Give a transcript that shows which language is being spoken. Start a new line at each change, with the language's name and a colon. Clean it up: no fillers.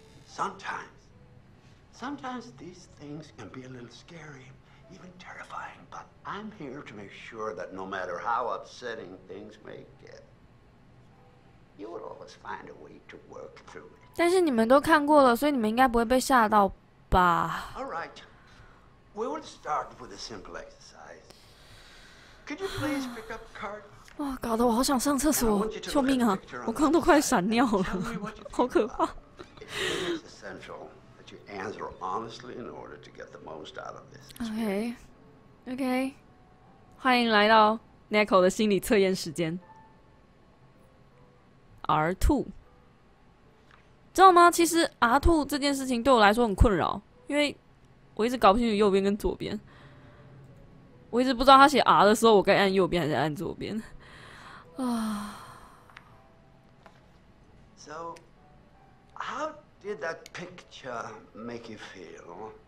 English: Sometimes these things can be a little scary, even terrifying. But I'm here to make sure that no matter how upsetting things may get, you will always find a way to work through it.
Chinese: 但是你们都看过了，所以你们应该不会被吓到吧
English: ？All right, we will start with a simple exercise. Could you please pick up card?
Chinese: 哇，搞得我好想上厕所，救命啊！我刚都快闪尿了，好可怕。
English: It's essential that you answer honestly in order to get the most out of this. Okay.
Chinese: 欢迎来到 Neko 的心理测验时间。 R2， 知道吗？其实 R2 这件事情对我来说很困扰，因为我一直搞不清楚右边跟左边。我一直不知道他写 R 的时候，我该按右边还是按左边。
English: So, how did that picture make you feel?